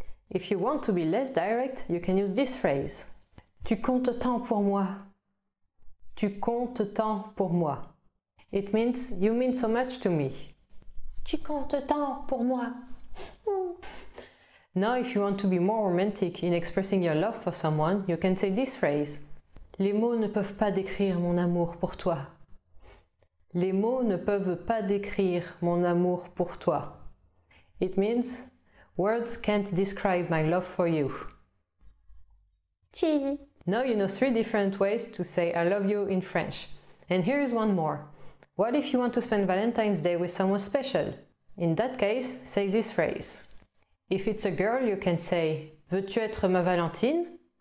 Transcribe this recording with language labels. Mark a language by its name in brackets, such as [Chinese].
[English] If you want to be less direct, you can use this phrase. [French] Tu comptes tant pour moi. Tu comptes tant pour moi. [English] It means you mean so much to me. [French] Tu comptes tant pour moi. [English] Now, if you want to be more romantic in expressing your love for someone, you can say this phrase. [French] Les mots ne peuvent pas décrire mon amour pour toi. Les mots ne peuvent pas décrire mon amour pour toi. [English] It means words can't describe my love for you. Cheesy. Now you know three different ways to say I love you in French. And here is one more. What if you want to spend Valentine's Day with someone special? In that case, say this phrase. If it's a girl, you can say, [French] veux-tu être ma Valentine?